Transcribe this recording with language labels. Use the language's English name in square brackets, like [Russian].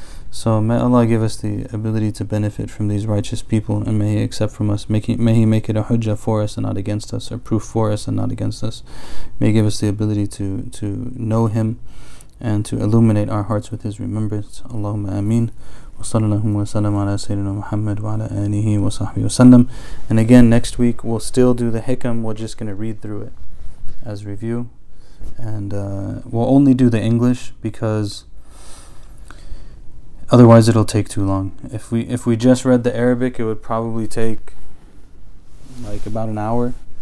[English] So may Allah give us the ability to benefit from these righteous people, and may He accept from us. May He make it a hujjah for us and not against us, or proof for us and not against us. May He give us the ability to know Him and to illuminate our hearts with His remembrance. Allahumma ameen. [Arabic] صلى الله وسلم على سيدنا محمد وعلى آله وصحبه وسلم. [English] And again, next week we'll still do the hikam. We're just going to read through it as review, and we'll only do the English, because otherwise it'll take too long. If we just read the Arabic, it would probably take like about an hour.